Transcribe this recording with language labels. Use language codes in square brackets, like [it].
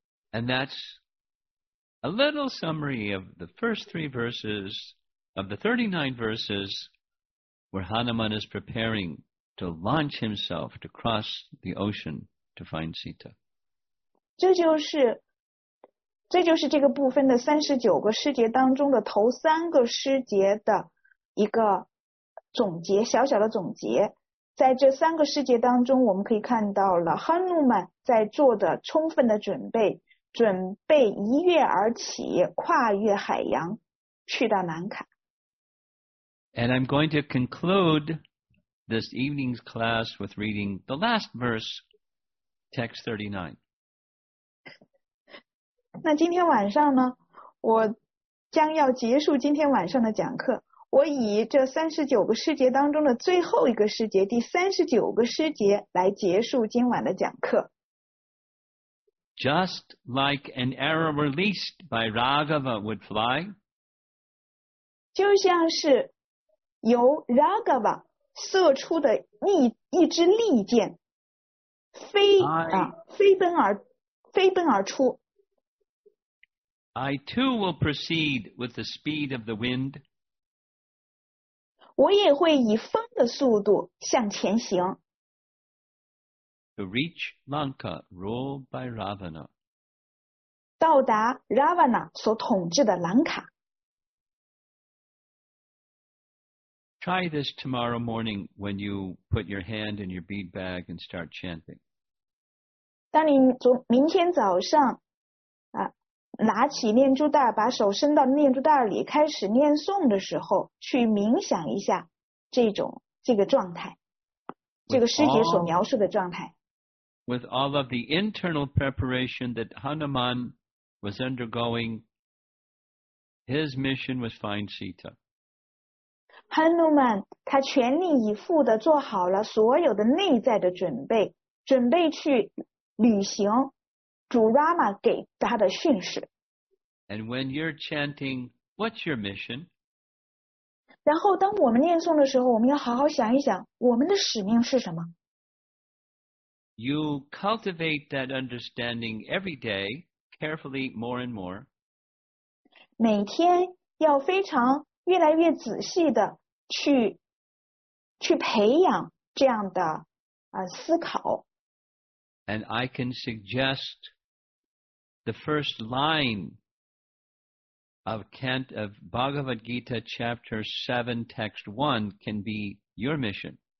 [en] And that's a little summary of the first three verses, of the 39 verses, where Hanuman is preparing to launch himself to cross the ocean to find Sita. [zh] 这就是这个部分的39个诗节当中的头3个诗节的一个总结，小小的总结。在这3个诗节当中，我们可以看到了哈努曼在做的充分的准备一跃而起，跨越海洋，去到南卡。 [en] And I'm going to conclude this evening's class with reading the last verse, text 39. [zh] 那今天晚上呢，我将要结束今天晚上的讲课。我以这39个诗节当中的最后一个诗节，第39个诗节来结束今晚的讲课。 [en] Just like an arrow released by Raghava would fly, [zh] 就像是由 Raghava 射出的一支利箭，飞奔而出。 [en] I too will proceed with the speed of the wind. [zh] 我也会以风的速度向前行。 [en] To reach Lanka ruled by Ravana. [zh] 到达 Ravana 所统治的兰卡。 [en] Try this tomorrow morning when you put your hand in your bead bag and start chanting. [zh] 当你明天早上拿起念珠袋，把手伸到念珠袋里，开始念诵的时候，去冥想一下这个状态，这个诗节所描述的状态。 [en] With all of the internal preparation that Hanuman was undergoing, his mission was find Sita. [zh] Hanuman 他全力以赴地做好了所有的内在的准备去旅行。主 Rama 给他的训示。 [en] And when you're chanting, what's your mission? [zh] 然后当我们念诵的时候，我们要好好想一想，我们的使命是什么？ [en] You cultivate that understanding every day, carefully, more and more. [zh] 每天要非常越来越仔细的去培养这样的思考。 [en] And I can suggest. The first line of Bhagavad Gita chapter 7 text 1 can be your mission.